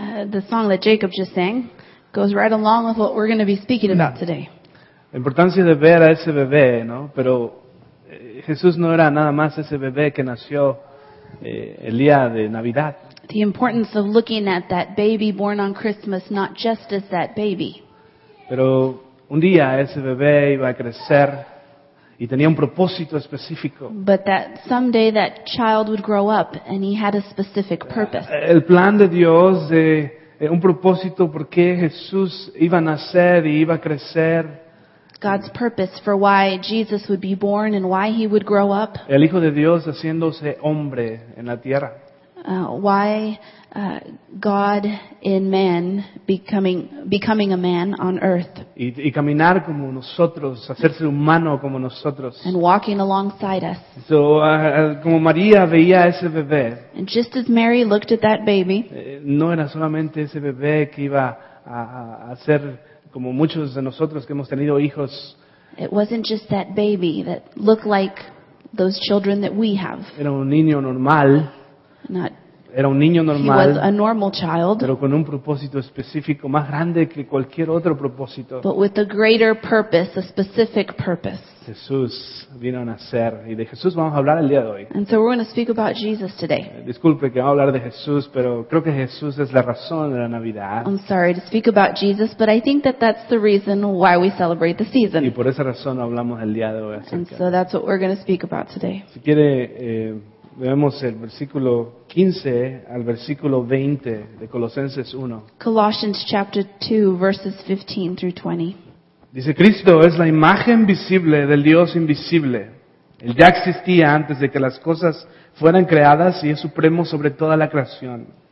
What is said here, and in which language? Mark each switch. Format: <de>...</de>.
<en>The song that Jacob just sang goes right along with what we're going to be speaking about today.</en> <es>La importancia de ver a ese bebé, ¿no? Pero Jesús no era nada más ese bebé que nació el día de Navidad.</es> <en>The importance of looking at that baby born on Christmas, not just as that baby.</en> <es>Pero un día ese bebé iba a crecer y tenía un propósito específico.</es> <en>But that someday that child would grow up and he had a specific purpose.</en> <es>El plan de Dios de un propósito por qué Jesús iba a nacer y iba a crecer.</es> <en>God's purpose for why Jesus would be born and why he would grow up.</en> <es>El Hijo de Dios haciéndose hombre en la tierra.</es> <en>Why God in man becoming a man on earth.</en> <es>Y caminar como nosotros, hacerse humano como nosotros.</es> <en>And walking alongside us.</en> <es>So, como María veía ese bebé.</es> <en>And just as Mary looked at that baby.</en> <es>No era solamente ese bebé que iba a ser como muchos de nosotros que hemos tenido hijos.</es> <en>It wasn't just that baby that looked like those children that we have.</en> <es>Era un niño normal. Era un niño normal,</es> <en>he was a normal child,</en> <es>pero con un propósito específico más grande que cualquier otro propósito.</es> <en>But with a greater purpose, a specific purpose.</en> <es>Jesús vino a nacer y de Jesús vamos a hablar el día de hoy.</es> <en>And so we're going to speak about Jesus today.</en> <es>Disculpe que vamos a hablar de Jesús, pero creo que Jesús es la razón de la Navidad.</es> <en>I'm sorry to speak about Jesus, but I think that that's the reason why we celebrate the season.</en> <es>Y por esa razón hablamos el día de hoy.</es> <en>And so that's what we're going to speak about today.</en> <es>Si quiere vemos el versículo 15 al versículo 20 de Colosenses 1.</es> <en>Colossians chapter 2, verses 15 through 20.</en> <es>Dice, Cristo es la imagen visible del Dios invisible. Él ya existía antes de que las cosas fueran creadas y es supremo sobre toda la creación.</es>